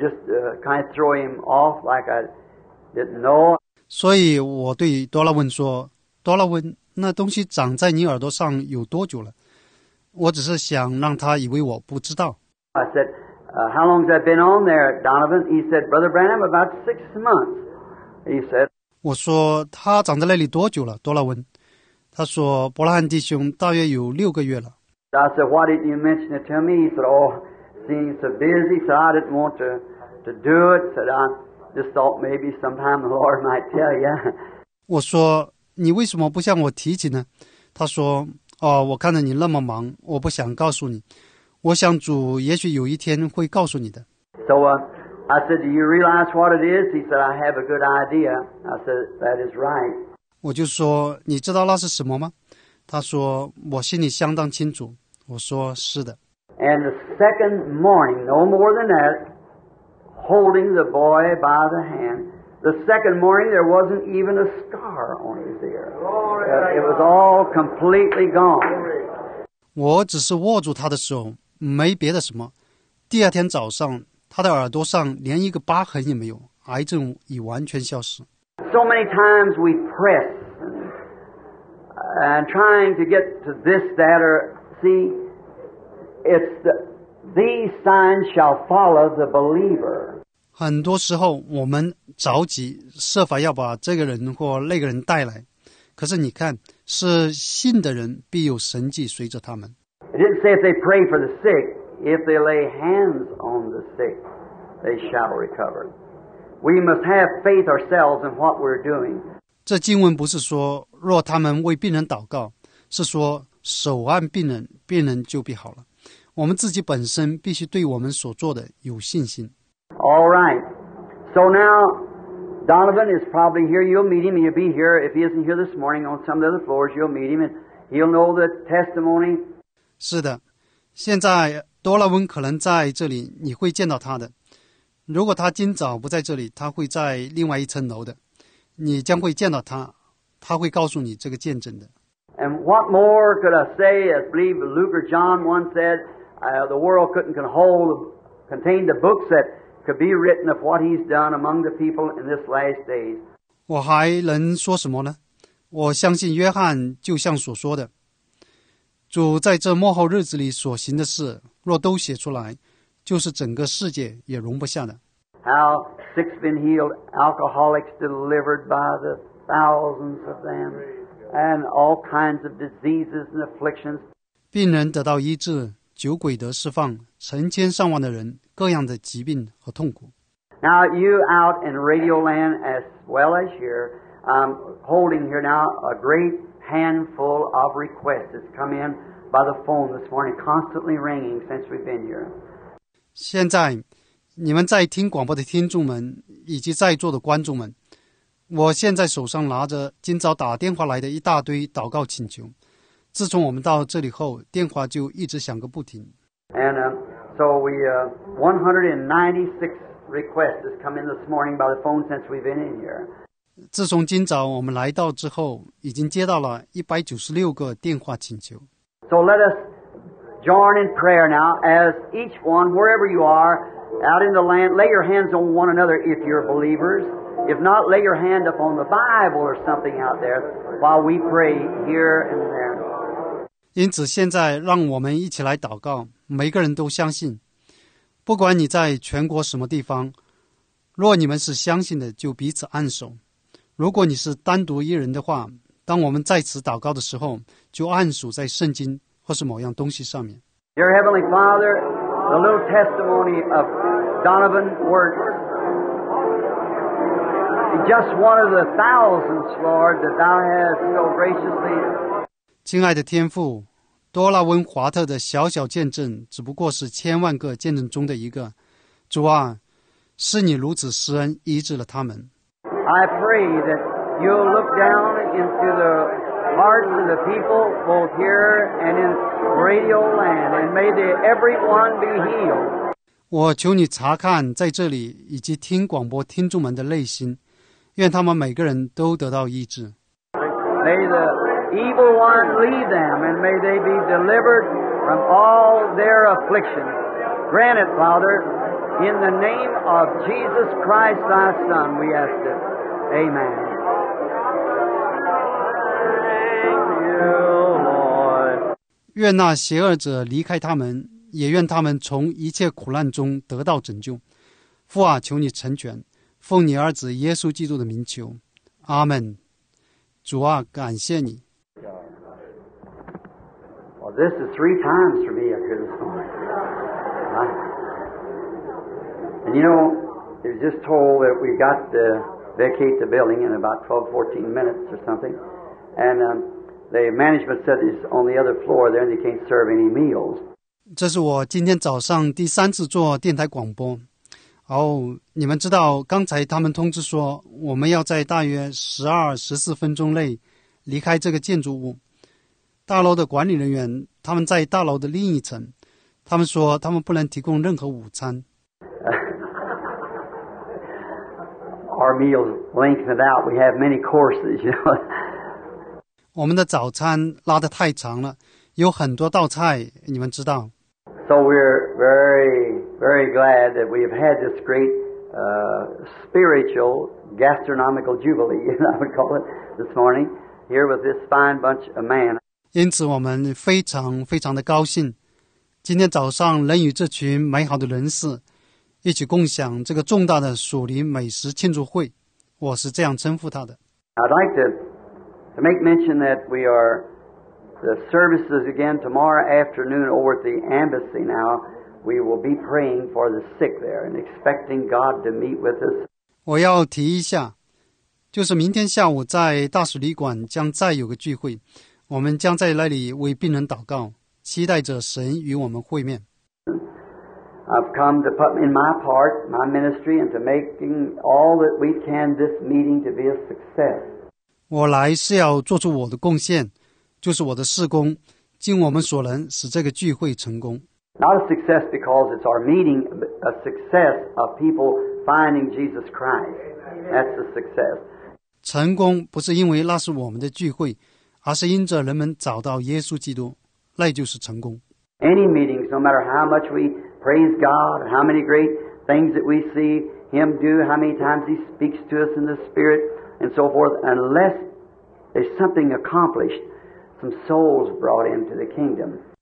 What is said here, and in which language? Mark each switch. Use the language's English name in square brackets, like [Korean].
[English] Just kind of throw him off like I didn't know. [Chinese] 所以我对多拉文说，多拉文，那东西长在你耳朵上有多久了？我只是想让他以为我不知道。 [English] I said, how long has that been on there, Donovan? He said, Brother Branham, about 6 months. He said, [Chinese] 我说他长在那里多久了，多拉文？他说伯拉罕弟兄大约有6个月了。 [English] I said, why didn't you mention it to me? He said, oh, seeing so busy, so I didn't want to do it. Said, I just thought maybe sometime the Lord might tell you. [Chinese] 我说你为什么不向我提起呢？他说，哦，我看着你那么忙，我不想告诉你。我想主也许有一天会告诉你的。 [English] So, I said, do you realize what it is? He said, I have a good idea. I said, that is right. [Chinese] 我就说，你知道那是什么吗？他说，我心里相当清楚。我说，是的。 [English] And the second morning, no more than that, holding the boy by the hand, the second morning there wasn't even a scar on his ear. It was all completely gone. [Chinese] 我只是握住他的手，没别的什么。第二天早上，他的耳朵上连一个疤痕也没有，癌症已完全消失。 [English] So many times we press and trying to get to this, that, or see, it's these signs shall follow the believer. [Chinese] 很多时候我们着急，设法要把这个人或那个人带来，可是你看，是信的人必有神迹随着他们。 [English] It didn't say if they pray for the sick. If they lay hands on the sick, they shall recover. We must have faith ourselves in what we're doing. [Chinese] 这经文不是说若他们为病人祷告，是说手按病人，病人就必好了。我们自己本身必须对我们所做的有信心。 [English] All right. So now, Donovan is probably here. You'll meet him. He'll be here. If he isn't here this morning on some of the other floors, you'll meet him, and he'll know the testimony. [Chinese] 是的，现在。多拉文可能在这里，你会见到他的。如果他今早不在这里，他会在另外一层楼的，你将会见到他，他会告诉你这个见证的。 [English] And what more could I say? I believe Luke or John once said, the world couldn't contain the books that could be written of what he's done among the people in this last days. [Chinese] 我还能说什么呢？我相信约翰就像所说的，主在这末后日子里所行的事，若都写出来，就是整个世界也容不下的。 [English] How six been healed, alcoholics delivered by the thousands of them, and all kinds of diseases and afflictions. [Chinese] 病人得到医治，酒鬼得释放，成千上万的人各样的疾病和痛苦。 [English] Now you out in Radio Land as well as here, holding here now a great handful of requests that's come in. By the phone this morning, constantly ringing since we've been here. [Chinese] 现在，你们在听广播的听众们以及在座的观众们，我现在手上拿着今早打电话来的一大堆祷告请求。自从我们到这里后，电话就一直响个不停。 [English] And so we 196 requests has come in this morning by the phone since we've been in here. [Chinese] 自从今早我们来到之后，已经接到了196个电话请求。 [English] So let us join in prayer now, as each one, wherever you are, out in the land, lay your hands on one another if you're believers. If not, lay your hand up on the Bible or something out there while we pray here and there. [Chinese] 因此，现在让我们一起来祷告。每个人都相信，不管你在全国什么地方，若你们是相信的，就彼此按手。如果你是单独一人的话，当我们在此祷告的时候，就按手在圣经或是某样东西上面。 [English] Dear Heavenly Father, the little testimony of Donovan works. Just one of the thousands, Lord, that Thou hast so graciously. [Chinese] 亲爱的天父，多拉温华特的小小见证，只不过是千万个见证中的一个。主啊，是你如此施恩医治了他们。 [English] I pray that you'll look down into the hearts of the people, both here and in radio land, and may they everyone be healed. [Chinese] 我求你查看在这里以及听广播听众们的内心，愿他们每个人都得到医治。 [English] May the evil one leave them, and may they be delivered from all their afflictions. Grant it, Father, in the name of Jesus Christ, thy Son, we ask this. Amen. Thank you, Lord. [Chinese] 愿那邪恶者离开他们，也愿他们从一切苦难中得到拯救。父啊，求你成全，奉你儿子耶稣基督的名求，阿门。主啊，感谢你。 [English] Well, this is three times for me up here this morning. And you know, it was just told that we got to vacate the building in about 12-14 minutes or something. And the management said it's on the other floor there and they can't serve any meals. [Chinese] 这是我今天早上第三次做电台广播。哦，你们知道刚才他们通知说我们要在大约12-14分钟内离开这个建筑物。大楼的管理人员他们在大楼的另一层，他们说他们不能提供任何午餐。 [English] Our meals lengthened out. We have many courses, you know. [Chinese] 我们的早餐拉得太长了，有很多道菜，你们知道。 [English] So we're very, very glad that we have had this great spiritual gastronomical jubilee, you know, I would call it, this morning, here with this fine bunch of men. [Chinese] 因此我们非常非常的高兴，今天早上能与这群美好的人士一起共享这个重大的属灵美食庆祝会，我是这样称呼他的。 [English] I'd like to make mention that we are the services again tomorrow afternoon over at the embassy now. We will be praying for the sick there and expecting God to meet with us. [Chinese] 我要提一下，就是明天下午在大使领馆将再有个聚会，我们将在那里为病人祷告，期待着神与我们会面。 [English] I've come to put in my part, my ministry, and to making all that we can this meeting to be a success. [Chinese] 我来是要做出我的贡献，就是我的事工，尽我们所能使这个聚会成功。 [English] Not a success because it's our meeting, but a success of people finding Jesus Christ. That's a success. [Chinese] 成功不是因为那是我们的聚会，而是因着人们找到耶稣基督，那就是成功。 [English] Any meetings, no matter how much we praise God, how many great things that we see Him do, how many times He speaks to us in the Spirit, and so forth, unless there's something accomplished, some souls brought into the kingdom.